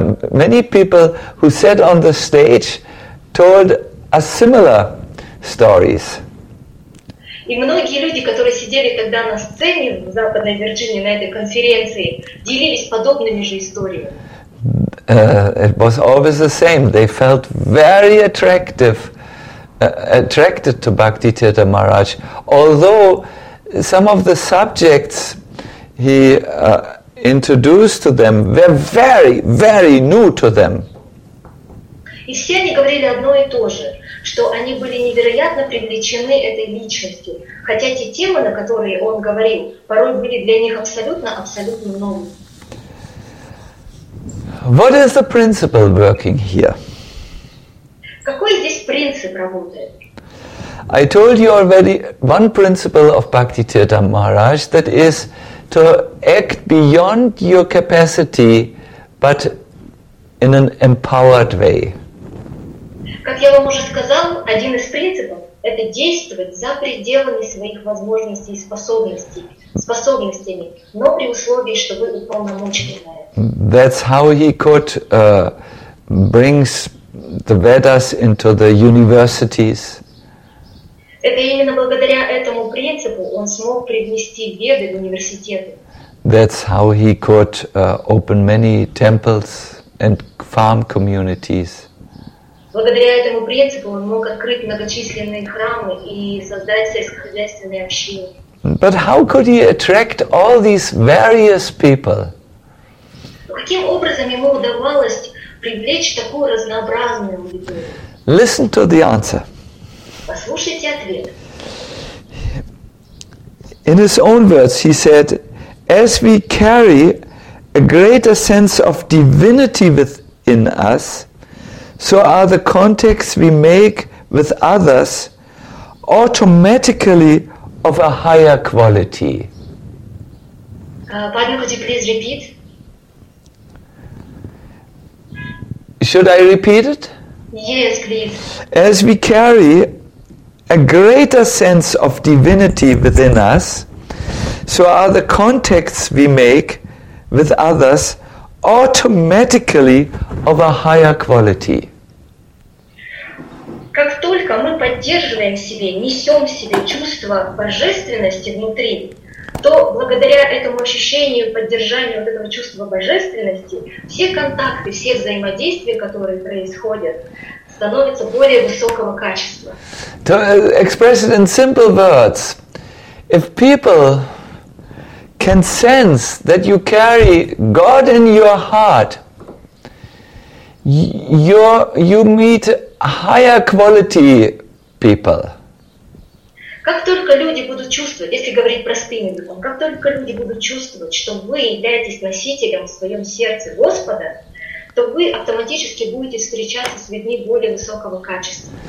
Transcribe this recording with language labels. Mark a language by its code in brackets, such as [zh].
[en] Many people who sat on the stage told us similar stories. [ru] И многие люди, которые сидели тогда на сцене в Западной Вирджинии на этой конференции, делились подобными же историями. [en] It was always the same. They felt very attracted to Bhakti Tirtha Maharaj. Although some of the subjects he introduced to them were very, very new to them. [ru] И все они говорили одно и то же, что они были невероятно привлечены этой личностью, хотя те темы, на которые он говорил, порой были для них абсолютно новыми. [en] What is the principle working here? [ru] Какой здесь принцип работает? [en] I told you already one principle of Bhakti Tirtha Maharaj, that is to act beyond your capacity, but in an empowered way. [ru] Как я вам уже сказал, один из принципов – это действовать за пределами своих возможностей и способностями, но при условии, что вы уполномочены на это. [en] That's how he could bring the Vedas into the universities. [ru] Это именно благодаря этому принципу он смог привнести Веды в университеты. [en] That's how he could open many temples and farm communities. [ru] Благодаря этому принципу он мог открыть многочисленные храмы и создать сельскохозяйственные общины. [en] But how could he attract all these various people? [ru] Каким образом ему удавалось привлечь такую разнообразную аудиторию? [en] Listen to the answer. [ru] Послушайте ответ. [en] In his own words, he said, as we carry a greater sense of divinity within us, so are the contacts we make with others automatically of a higher quality. Pardon, could you please repeat? Should I repeat it? Yes, please. As we carry a greater sense of divinity within us, so are the contacts we make with others automatically of a higher quality. [ru] Как только мы поддерживаем в себе, несем в себе чувство божественности внутри, то благодаря этому ощущению, поддержанию вот этого чувства божественности, все контакты, все взаимодействия, которые происходят, становятся более высокого качества. [en] To express it in simple words, if people can sense that you carry God in your heart, you meet higher quality people. [ru] Как только люди будут чувствовать, если говорить простым языком, как только люди будут чувствовать, что вы являетесь носителем в своем сердце Господа, то вы автоматически будете встречаться с людьми более высокого качества.